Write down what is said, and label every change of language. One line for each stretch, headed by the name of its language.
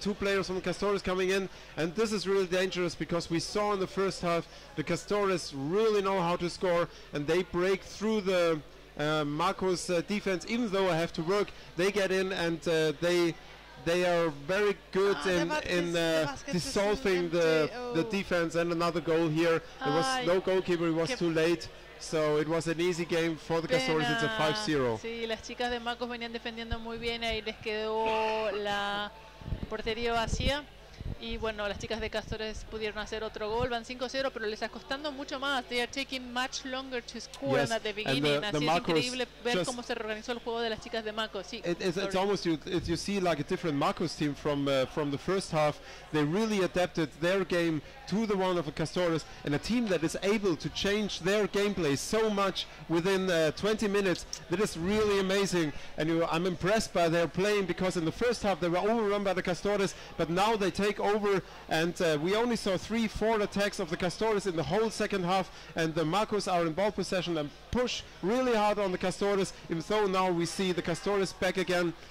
English: Two players from Castores coming in, and this is really dangerous because we saw in the first half the Castores really know how to score, and they break through the Makos defense. Even though I have to work, they get in, and they are very good in dissolving the defense. And another goal here. There was no goalkeeper, it was too late. So it was an easy game for the Castores. It's a 5-0.
Spanish: Sí, las chicas de Makos venían defendiendo muy bien, ahí les quedó la portería vacía. Y bueno, las chicas de Castores pudieron hacer otro gol, van 5-0, pero les está costando mucho más.
English: They are taking much longer to score yes, at the beginning. The
Spanish: así es increíble ver cómo se reorganizó el juego de las chicas de Makos. Sí,
English: it's almost you see like a different Makos team from the first half. They really adapted their game to the one of a Castores, and a team that is able to change their gameplay so much within 20 minutes, that is really amazing. And I'm impressed by their playing, because in the first half they were overrun by the Castores, but now they take over, and we only saw 3-4 attacks of the Castores in the whole second half, and the Makos are in ball possession and push really hard on the Castores, even though now we see the Castores back again.